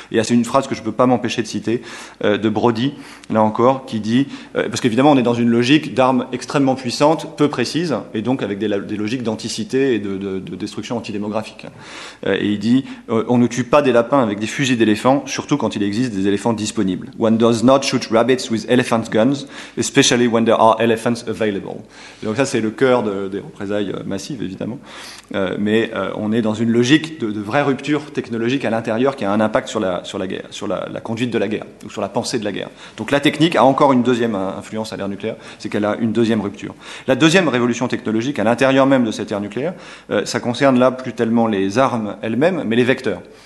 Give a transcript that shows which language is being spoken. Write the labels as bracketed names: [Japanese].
[French] Et c'est une phrase que je ne peux pas m'empêcher de citer de Brody, là encore, qui dit, parce qu'évidemment on est dans une logique d'armes extrêmement puissantes, peu précises, et donc avec des logiques d'anticité et de destruction antidémographique. Et il dit, on ne tue pas des lapins avec des fusils d'éléphants, surtout quand il existe des éléphants disponibles. [English] One does not shoot rabbits with elephant guns, especially when there are elephants available. [French] Et donc ça c'est le cœur des représailles massives, évidemment. Mais on est dans une logique de vraie rupture technologique à l'intérieur qui a un impact sur la conduite de la guerre ou sur la pensée de la guerre. Donc la technique a encore une deuxième influence à l'ère nucléaire, c'est qu'elle a une deuxième rupture. La deuxième révolution technologique à l'intérieur même de cette ère nucléaire, ça concerne là plus tellement les armes elles-mêmes, mais les vecteurs.